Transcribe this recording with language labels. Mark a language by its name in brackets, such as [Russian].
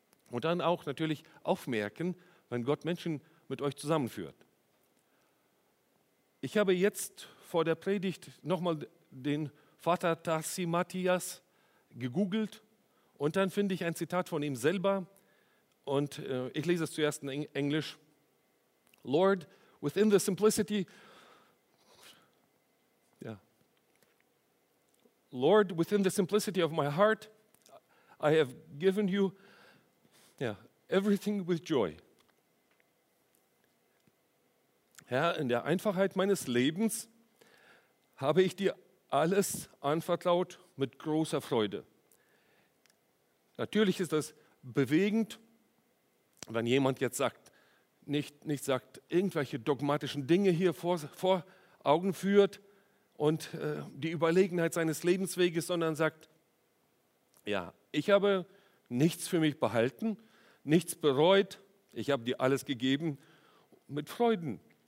[German] Und dann auch natürlich aufmerken, wenn Gott Menschen mit euch zusammenführt. Ich habe jetzt vor der Predigt nochmal den Vater Tarsi Matthias gegoogelt und dann finde ich ein Zitat von ihm selber und ich lese es zuerst in Englisch. [English] Lord, within the simplicity, yeah. Lord, within the simplicity of my heart, I have given you everything with joy. [German] Herr, in der Einfachheit meines Lebens habe ich dir alles anvertraut mit großer Freude. Natürlich ist das bewegend, wenn jemand jetzt sagt, nicht sagt, irgendwelche dogmatischen Dinge hier vor Augen führt und die Überlegenheit seines Lebensweges, sondern sagt, ja, ich habe nichts für mich behalten, nichts bereut, ich habe dir alles gegeben mit Freuden.